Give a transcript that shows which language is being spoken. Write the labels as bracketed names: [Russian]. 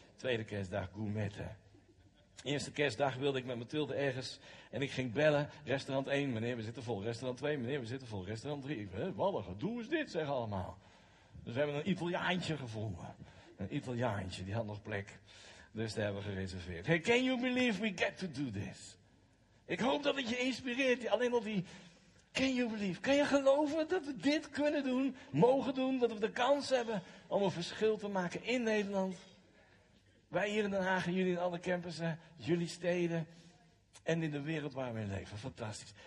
[Dutch] Tweede kerstdag gourmetten. Eerste kerstdag wilde ik met Mathilde ergens en ik ging bellen. Restaurant 1, meneer, we zitten vol. Restaurant 2, meneer, we zitten vol. Restaurant 3, wat een gedoe is dit, zeggen allemaal. Dus we hebben een Italiaantje gevonden. Een Italiaantje, die had nog plek. Dus daar hebben we gereserveerd. [English] Hey, can you believe we get to do this? [Dutch] Ik hoop dat het je inspireert. Alleen al die, [English] can you believe? [Dutch] Kan je geloven dat we dit kunnen doen, mogen doen? Dat we de kans hebben om een verschil te maken in Nederland? Wij hier in Den Haag, jullie in alle campussen, jullie steden en in de wereld waar we in leven. Fantastisch.